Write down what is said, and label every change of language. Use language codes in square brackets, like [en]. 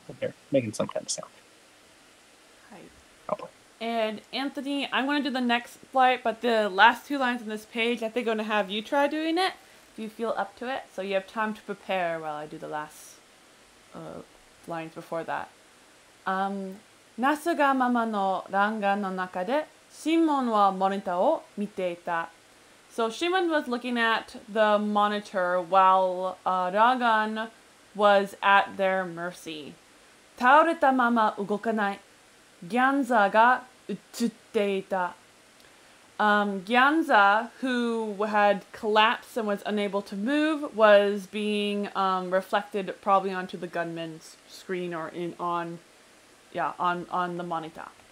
[en] They're making some kind of sound. Hi. Probably. And Anthony, I'm going to do the next flight, but the last two lines on this page, I think I'm going to have you try doing it. If you feel up to it. So you have time to prepare while I do the last lines before that. [ja] ナスガママのランガンの中でシンモンはモニターを見ていた。 [en] So Shimon was looking at the monitor while Ragan was at their mercy. [ja] 倒れたまま動かない。ギャンザが映っていた。 [en] ギャンザ who had collapsed and was unable to move was being reflected probably onto the gunman's screen or on the monitor.